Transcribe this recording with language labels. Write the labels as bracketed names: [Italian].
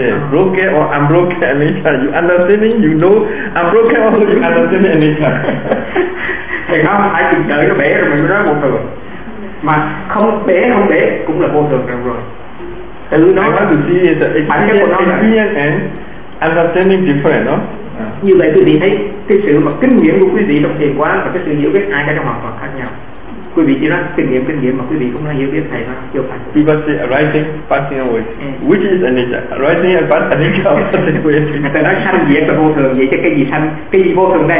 [English] Broken or unbroken anicca, you understanding, you know unbroken also you understanding anicca. [Vietnamese] Thì nó phải từ trời nó bể rồi mình mới nói vô thường. Mà không bể cũng là vô thường rồi. [English] And you know, I want to see the experience and understanding different, no? [Vietnamese] Như vậy quý vị thấy cái sự mà kinh nghiệm của quý vị đồng thiền quán và cái sự hiểu biết ai cái trong học là khác nhau. Quý vị chỉ nói kinh nghiệm mà quý vị không nói hiểu biết thầy nó chưa phải. [English] People say arising, passing away. Which is anicca? Arising and passing away. [Vietnamese] Người ta nói sanh diệt và vô thường, vậy chứ cái gì sanh? Cái gì vô thường đây?